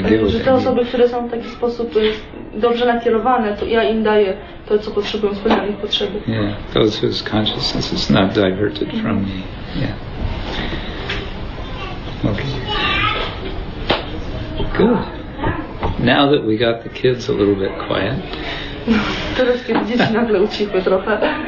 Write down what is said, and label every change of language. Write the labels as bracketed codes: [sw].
[pl] Że te osoby, które są w taki sposób dobrze nakierowane, to ja im daję to, co potrzebują, spełnia ich potrzeby. [en] Yeah, those whose consciousness is not diverted from me. Yeah. Okay. Good. Now that we got the kids a little bit quiet. [pl] Teraz kiedy dzieci nagle ucichły trochę.